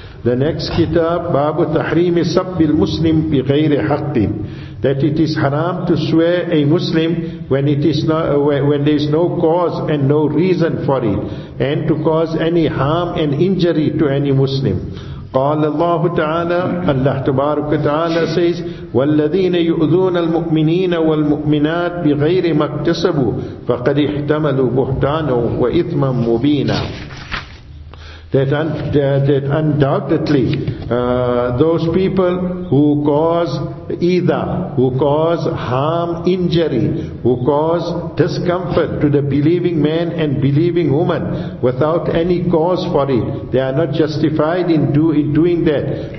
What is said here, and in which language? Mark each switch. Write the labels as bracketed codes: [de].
[en] The next kitab, [ar] Babu Tahrim Sabbi al-Muslim bi ghayri haqqin. [en] That it is haram to swear a Muslim when it is not, when there is no cause and no reason for it, and to cause any harm and injury to any Muslim. [ar] قال الله تعالى الله تبارك وتعالى [en] says [ar] والذين يؤذون المؤمنين والمؤمنات بغير ما اكتسبوا فقد احتملوا بهتانا وإثما مبينا. [en] that undoubtedly those people who cause either, who cause harm, injury, who cause discomfort to the believing man and believing woman without any cause for it, they are not justified in doing that.